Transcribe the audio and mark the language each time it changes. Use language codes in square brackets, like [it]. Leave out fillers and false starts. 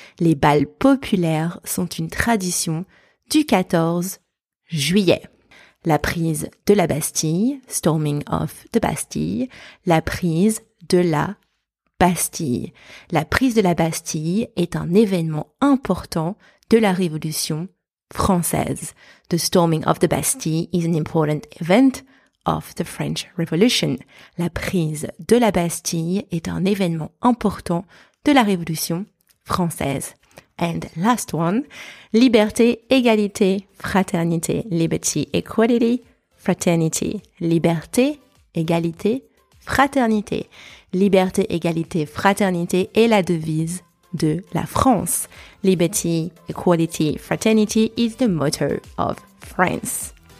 [fr] Les bals populaires sont une tradition du 14 juillet. La prise de la Bastille, [en] storming of the Bastille, [fr] la prise de la Bastille. La prise de la Bastille est un événement important de la Révolution française. [en] The storming of the Bastille is an important event of the French Revolution. [fr] La prise de la Bastille est un événement important de la Révolution française. [en] And last one, [fr] liberté, égalité, fraternité. [en] Liberty, equality, fraternity. [fr] Liberté, égalité, fraternité. Liberté, égalité, fraternité est la devise de la France. [en] Liberty, equality, fraternity is the motto of France.